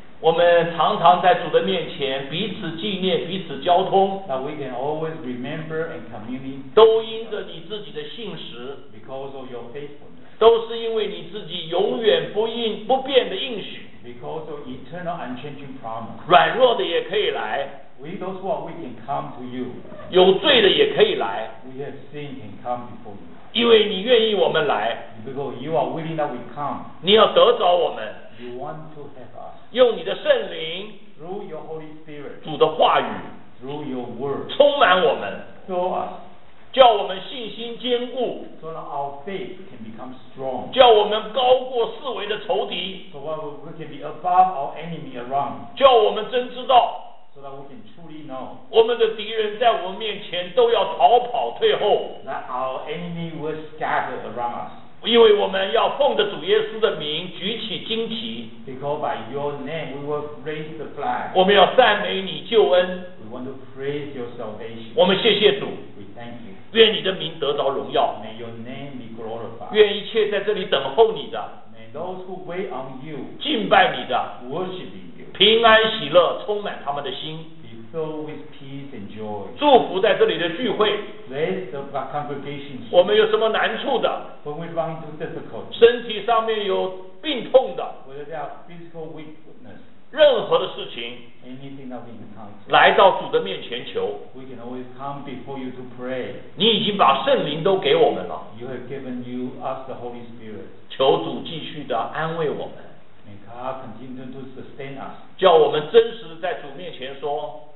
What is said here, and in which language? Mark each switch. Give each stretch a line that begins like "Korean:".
Chinese: 我们常常在主的面前彼此纪念彼此交通
English: That we can always remember and communicate.
Chinese: 都因着你自己的信实
English: Because of your faithfulness.
Chinese: 都是因为你自己永远 不变的应许
English: Because of eternal unchanging promise.
Chinese: 软弱的也可以来
English: We those who are weak can come to you.
Chinese: 有罪的也可以来
English: We have sin can come before you.
Chinese: 因为你愿意我们来
English: Because you are willing that we come.
Chinese: 你要得着我们
English: you want to have us.
Chinese: 用你的圣灵
English: Through your Holy Spirit.
Chinese: 主的话语
English: Through your word.
Chinese: 充满我们
English: Fill us.
Chinese: 叫我们信心坚固
English: So that our faith can become strong.
Chinese: 叫我们高过四维的仇敌
English: So that we can be above our enemy around.
Chinese: 叫我们真知道
English: So that we can truly know.
Chinese: 我们的敌人在我们面前都要逃跑退后
English: That our enemy will scatter around us.
Chinese: 因为我们要奉着主耶稣的名举起旌旗
English: Because by your name we will raise the flag.
Chinese: 我们要赞美你救恩
English: We want to praise your salvation.
Chinese: 我们谢谢主
English: We thank you.
Chinese: 愿你的名得着荣耀
English: May your name be glorified.
Chinese: 愿一切在这里等候你的
English: May those who wait on you.
Chinese: 敬拜你的
English: Worship you.
Chinese: 平安喜乐充满他们的心
English: Be filled with peace and joy.
Chinese: 祝福在这里的聚会
English: Bless the congregation.
Chinese: 我们有什么难处的
English: When we run into difficulty.
Chinese: 身体上面有病痛的
English: Whether they are physical weakness.
Chinese: 任何的事情
English: Anything that we can come to.
Chinese: 来到主的面前求
English: We can always come before you to pray.
Chinese: 你已经把圣灵都给我们了
English: You have given you us the Holy Spirit.
Chinese: 求主继续的安慰我们
English: May God continue to sustain us.
Chinese: 叫我们真实在主面前说